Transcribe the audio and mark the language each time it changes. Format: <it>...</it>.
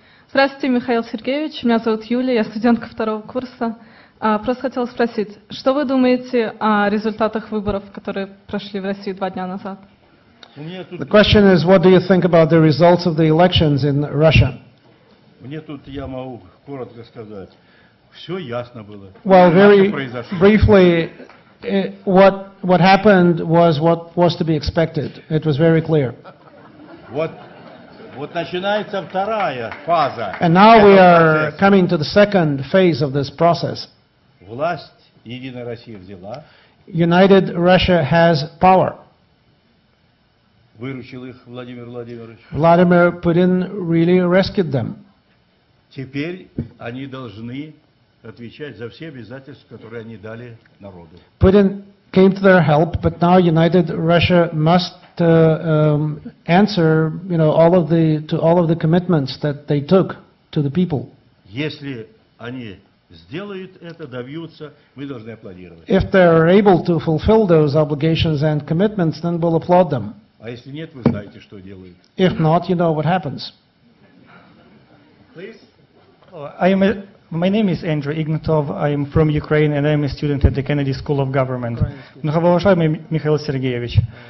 <ru>Здравствуйте, Михаил Сергеевич. Меня зовут Юлия, я студентка второго курса. Просто хотела спросить, что вы думаете о результатах выборов, которые прошли в России два дня назад?</ru> <en>The question is, what do you think about the results of the elections in Russia?</en> <ru>Мне тут я могу коротко сказать, все ясно было.</ru> <en>Well, very briefly, what happened was what was to be expected. It was very clear.</en> <ru>Вот начинается вторая фаза.</ru> <en>And now we are coming to the second phase of this process.</en> <ru>Власть Единая Россия взяла.</ru> <en>United Russia has power.</en> <ru>Выручил их Владимир Владимирович.</ru> <en>Vladimir Putin really rescued them.</en> <ru>Теперь они должны отвечать за все обязательства, которые они дали народу.</ru> <en>Putin came to their help, but now United Russia must answer, you know, all of the commitments that they took to the people.</en> <ru>Если они сделают это, добьются, мы должны аплодировать.</ru> <en>If they are able to fulfill those obligations and commitments, then we'll applaud them.</en> <ru>А если нет, вы знаете, что делают.</ru> <en>If not, you know what happens. Please. My name is Andrei Ignatov. I am from Ukraine and I am a student at the Kennedy School of Government.</en> <ru>Многоуважаемый Михаил Сергеевич.</ru>